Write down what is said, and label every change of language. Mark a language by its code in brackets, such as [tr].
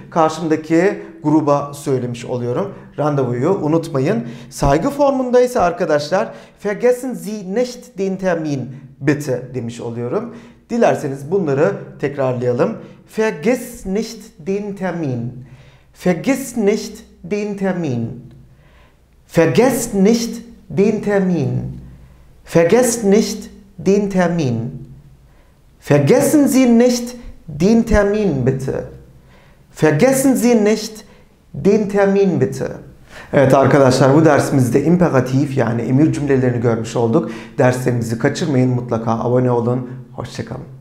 [tr] Karşımdaki gruba söylemiş oluyorum. Randevuyu unutmayın. Saygı formunda ise arkadaşlar [de] vergessen Sie nicht den Termin bitte [tr] demiş oluyorum. Dilerseniz bunları tekrarlayalım. [de] Vergiss nicht den Termin. Vergiss nicht den Termin. Vergiss nicht den Termin. Vergiss nicht den Termin. Vergessen Sie nicht den Termin bitte. Vergessen Sie nicht den Termin bitte. [tr] Evet arkadaşlar, bu dersimizde imperatif yani emir cümlelerini görmüş olduk. Derslerimizi kaçırmayın, mutlaka abone olun. Hoşça kalın.